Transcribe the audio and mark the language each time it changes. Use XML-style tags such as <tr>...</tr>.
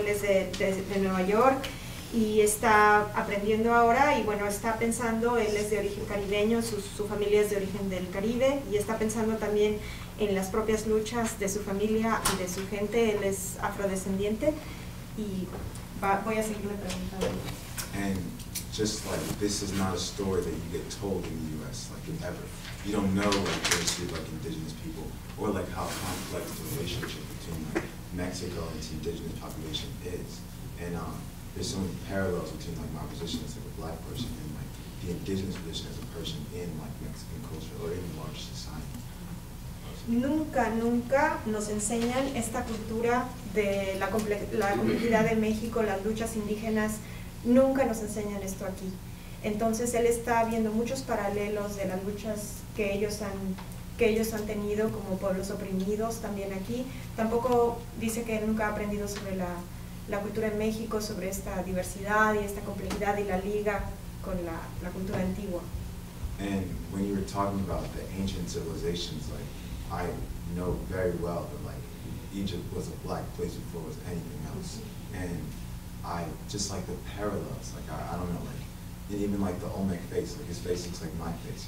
<es>Él es de Nueva York y está aprendiendo ahora, y bueno, está pensando, él es de origen caribeño, su familia es de origen del Caribe, y está pensando también en las propias luchas de su familia y de su gente. Él es afrodescendiente, y voy a seguirle preguntando.</es> <en>Just like, this is not a story that you get told in the U.S., like, ever. You don't know, like, the history of, like, indigenous people, or, like, how complex the relationship between, like, Mexico and its indigenous population is. And there's so many parallels between like my position as like a black person and like the indigenous position as a person in like Mexican culture or in large society.</en> <es>Nunca nos enseñan esta cultura de la complejidad de México, las luchas indígenas, nunca nos enseñan esto aquí. Entonces él está viendo muchos paralelos de las luchas que ellos han tenido como pueblos oprimidos también aquí. Tampoco dice que él nunca ha aprendido sobre la cultura de México, sobre esta diversidad y esta complejidad y la liga con la cultura antigua.</es> <en>And when you were talking about the ancient civilizations, like I know very well that like Egypt was a black place before it was anything else, and I just like the parallels. Like I don't know, like and even like the Olmec face, like his face looks like my face.</en>